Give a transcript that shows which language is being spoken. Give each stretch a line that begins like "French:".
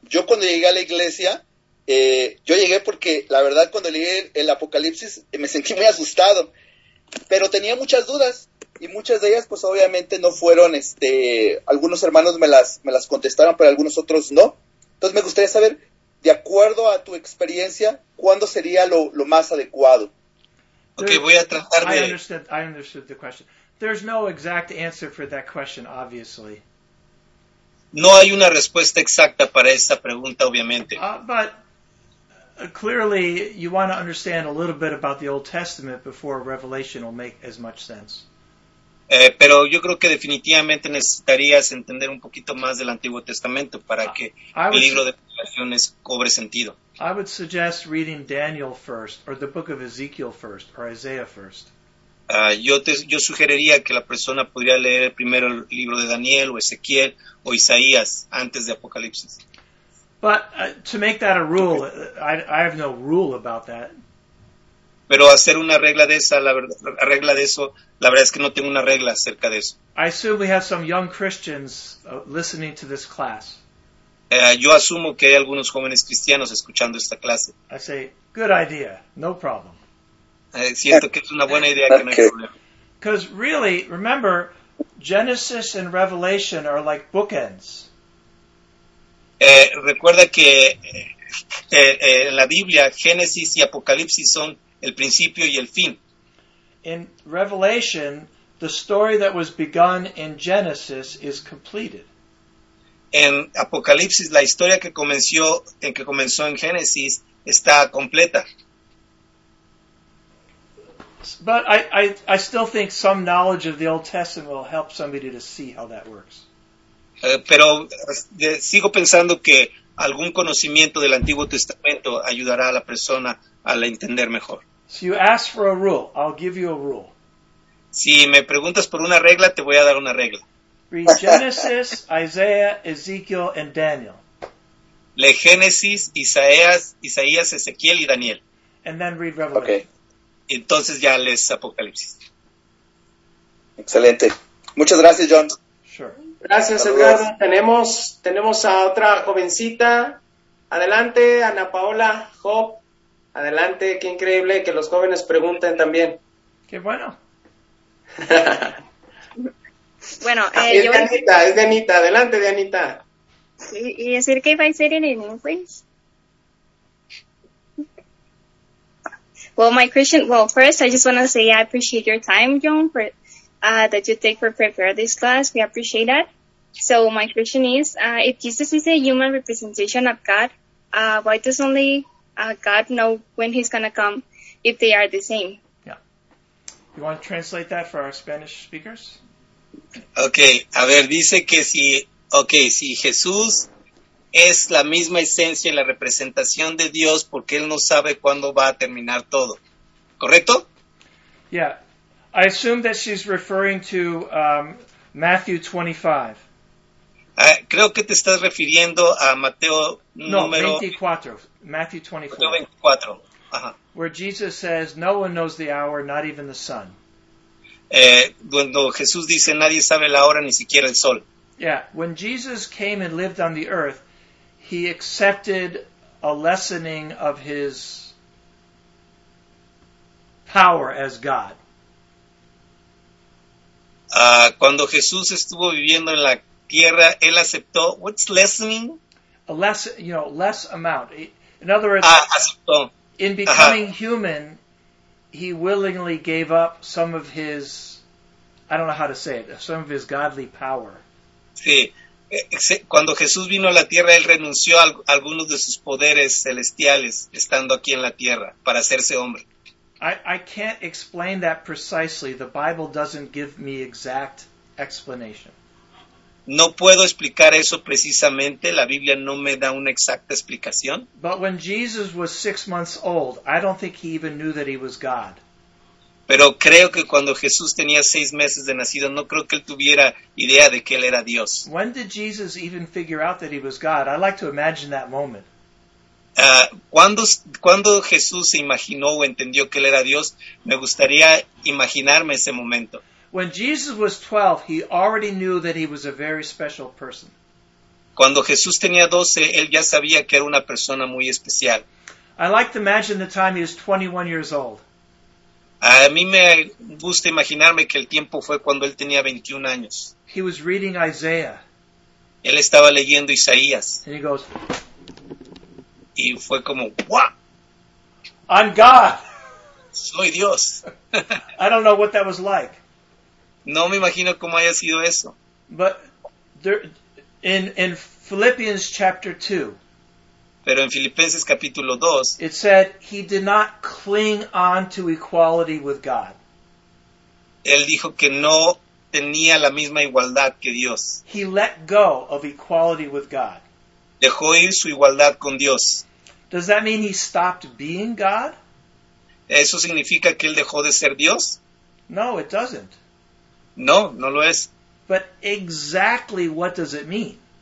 Spanish: Yo cuando llegué a la iglesia, yo llegué porque la verdad cuando leí el Apocalipsis me sentí muy asustado, pero tenía muchas dudas. Y muchas de ellas, pues obviamente no fueron, algunos hermanos me las contestaron, pero algunos otros no. Entonces me gustaría saber, de acuerdo a tu experiencia, ¿cuándo sería lo más adecuado? Ok, voy a tratar de...
English: I understood the question. There's no exact answer for that question, obviously.
Spanish: No hay una respuesta exacta para esa pregunta, obviamente.
English: But clearly you want to understand a little bit about the Old Testament before Revelation will make as much sense.
Spanish: Pero yo creo que definitivamente necesitarías entender un poquito más del Antiguo Testamento para que el libro de Revelaciones cobre sentido.
English: I would suggest reading Daniel first, or the book of Ezekiel first, or Isaiah first.
Spanish: Yo sugeriría que la persona podría leer primero el libro de Daniel, o Ezequiel, o Isaías, antes de Apocalipsis.
English: But to make that a rule, I have no rule about that.
Spanish: Pero hacer una regla de esa, la verdad es que no tengo una regla acerca de eso.
English: I assume we have some young Christians listening to this class.
Spanish: Yo asumo que hay algunos jóvenes cristianos escuchando esta clase.
English: I say, good idea, no problem.
Spanish: Siento que es una buena idea, que no hay problema.
English: Because really, remember, Genesis and Revelation are like bookends.
Spanish: Recuerda que en la Biblia, Génesis y Apocalipsis son el principio y el fin.
English: In Revelation, the story that was begun in Genesis is completed.
Spanish: En Apocalipsis, la historia que comenzó en Génesis está completa.
English: But I still think some knowledge of the Old Testament will help somebody to see how that works.
Spanish: Pero sigo pensando que algún conocimiento del Antiguo Testamento ayudará a la persona a la entender mejor.
English: So you ask for a rule, I'll give you a rule.
Spanish: Si me preguntas por una regla, te voy a dar una regla.
English: Read Genesis, Isaiah, Ezekiel, and Daniel.
Spanish: Lee Génesis, Isaías, Ezequiel y Daniel.
English: And then read Revelation. Okay.
Spanish: Entonces ya lees Apocalipsis. Excelente. Muchas gracias, John.
English: Sure.
Spanish: Gracias, Edgardo. Tenemos a otra jovencita. Adelante, Ana Paola Hope. Adelante, qué increíble que los jóvenes pregunten también. Qué bueno. Bueno, es de Anita, es de Anita, adelante de Anita. ¿Y decir que iba a decir en inglés?
English: Well, my question, well, first I just want to say I appreciate your time, John, for that you take for prepare this class. We appreciate that. So my question is, if Jesus is a human representation of God, why does only God know when he's going to come if they are the same? Yeah. You want to translate that for our Spanish speakers? Okay.
Spanish: A ver, dice que si, okay, si Jesús es la misma esencia y la representación de Dios porque él no sabe cuándo va a terminar todo. ¿Correcto?
English: Yeah. I assume that she's referring to Matthew 25.
Spanish: Creo que te estás refiriendo a Mateo número
English: 24, Matthew 24.
Spanish: Mateo 24. Ajá.
English: Where Jesus says, "No one knows the hour, not even the sun."
Spanish: Cuando Jesús dice, "Nadie sabe la hora, ni siquiera el sol."
English: Yeah, when Jesus came and lived on the earth, he accepted a lessening of his power as God.
Spanish: Cuando Jesús estuvo viviendo en la tierra, él aceptó,
English: what's lessening? A less, you know, less amount. In other words,
Spanish: aceptó.
English: In becoming human, he willingly gave up some of his, I don't know how to say it, some of his godly power.
Spanish: Sí, cuando Jesús vino a la tierra, él renunció a algunos de sus poderes celestiales estando aquí en la tierra para hacerse hombre.
English: I can't explain that precisely. The Bible doesn't give me exact explanation.
Spanish: No puedo explicar eso precisamente. La Biblia no me da una exacta explicación.
English: But when Jesus was 6 months old, I don't think he even knew that he was God.
Spanish: Pero creo que cuando Jesús tenía 6 meses de nacido, no creo que él tuviera idea de que él era Dios.
English: When did Jesus even figure out that he was God? I like to imagine that moment.
Spanish: ¿Cuándo Jesús se imaginó o entendió que él era Dios? Me gustaría imaginarme ese momento.
English: When Jesus was 12, he already knew that he was a very special person.
Spanish: Cuando Jesús tenía 12, él ya sabía que era una persona muy especial.
English: I like to imagine the time he was 21 years old.
Spanish: A mí me gusta imaginarme que el tiempo fue cuando él tenía 21 años.
English: He was reading Isaiah.
Spanish: Él estaba leyendo Isaías.
English: And he goes,
Spanish: y fue como, ¡wow!
English: I'm God.
Spanish: Soy Dios.
English: I don't know what that was like.
Spanish: No me imagino cómo haya sido eso.
English: But there, in Philippians chapter 2.
Spanish: Pero en Filipenses capítulo 2.
English: It said he did not cling on to equality with God.
Spanish: Él dijo que no tenía la misma igualdad que Dios.
English: He let go of equality with God.
Spanish: Dejó ir su igualdad con Dios.
English: Does that mean he stopped being God?
Spanish: ¿Eso significa que él dejó de ser Dios?
English: No, it doesn't.
Spanish: No, no lo es.
English: But exactly what does it mean?